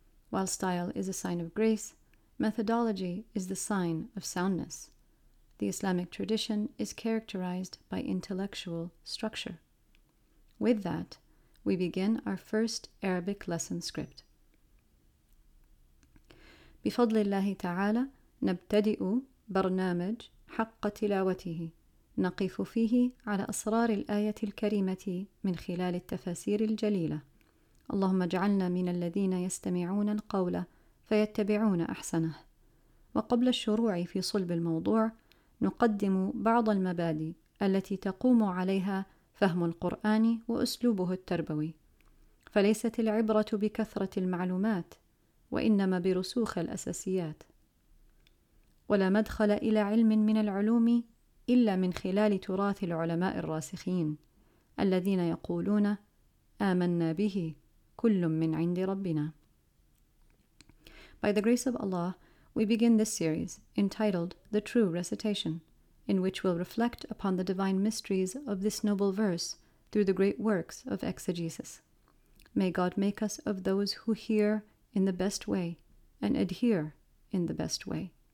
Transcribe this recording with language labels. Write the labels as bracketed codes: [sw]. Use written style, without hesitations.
[en] While style is a sign of grace, methodology is the sign of soundness. The Islamic tradition is characterized by intellectual structure. With that, we begin our first Arabic lesson script. [ar] بفضل الله تعالى نبتدئ برنامج حق تلاوته نقف فيه على أسرار الآية الكريمة من خلال التفاسير الجليلة اللهم اجعلنا من الذين يستمعون القول فيتبعون أحسنه وقبل الشروع في صلب الموضوع نقدم بعض المبادئ التي تقوم عليها فهم القرآن وأسلوبه التربوي فليست العبرة بكثرة المعلومات وإنما برسوخ الأساسيات ولا مدخل إلى علم من العلوم إلا من خلال تراث العلماء الراسخين الذين يقولون آمنا به كل من عند ربنا. [en] By the grace of Allah, we begin this series entitled The True Recitation, in which we'll reflect upon the divine mysteries of this noble verse through the great works of exegesis. May God make us of those who hear in the best way and adhere in the best way.